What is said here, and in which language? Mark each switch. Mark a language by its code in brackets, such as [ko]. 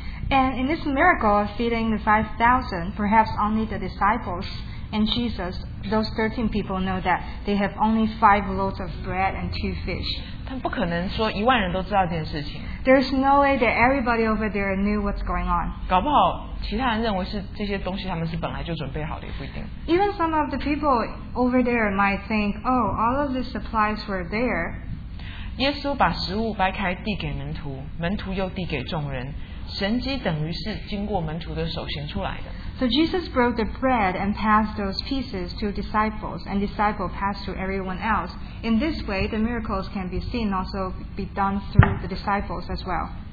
[en] And in this miracle of feeding the 5,000, perhaps only the disciples and Jesus, those 13 people know that they have only 5 loaves of bread and 2 fish. [zh] 他们不可能说一万人都知道这件事情。 [en] There's no way that everybody over there knew what's going on. [zh] 搞不好其他人认为是这些东西他们是本来就准备好的，也不一定。 [en] Even some of the people over there might think, oh, all of the supplies were there. [zh] 耶稣把食物掰开递给门徒，门徒又递给众人。神迹等于是经过门徒的手行出来的。So [en] Jesus broke the bread and passed those pieces to disciples, and disciples passed to everyone else. In this way, the miracles can be seen and also be done through the disciples as well.